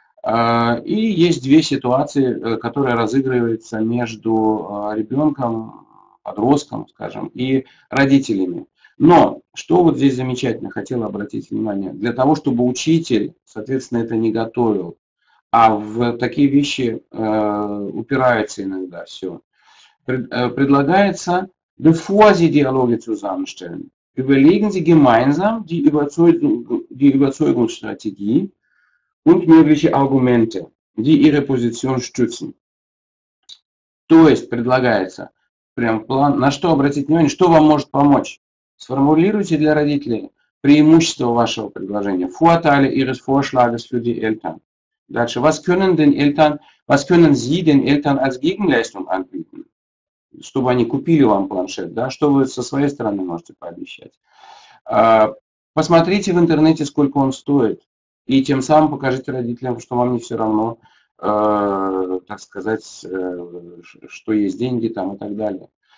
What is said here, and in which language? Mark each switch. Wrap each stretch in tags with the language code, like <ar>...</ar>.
<ru>И есть две ситуации, которые разыгрываются между ребенком, подростком, скажем, и родителями. Но что вот здесь замечательно, хотела обратить внимание. Для того, чтобы учитель, соответственно, это не готовил, а в такие вещи упирается иногда все. Предлагается,</ru> <de>bevor Sie Dialoge zusammenstellen, überlegen Sie gemeinsam die Überzeugungsstrategie und mögliche Argumente, die Ihre Position stützen.</de> <ru>То есть предлагается прям план, на что обратить внимание, что вам может помочь. Сформулируйте для родителей преимущества вашего предложения.</ru> <de>Vorteile Ihres Vorschlages für die Eltern.</de> <ru>Дальше.</ru> <de>Was können Sie den Eltern als Gegenleistung anbieten?</de> <ru>Чтобы они купили вам планшет, да? Что вы со своей стороны можете пообещать? Посмотрите в интернете, сколько он стоит. И тем самым покажите родителям, что вам не все равно, так сказать, что есть деньги там и так далее.</ru>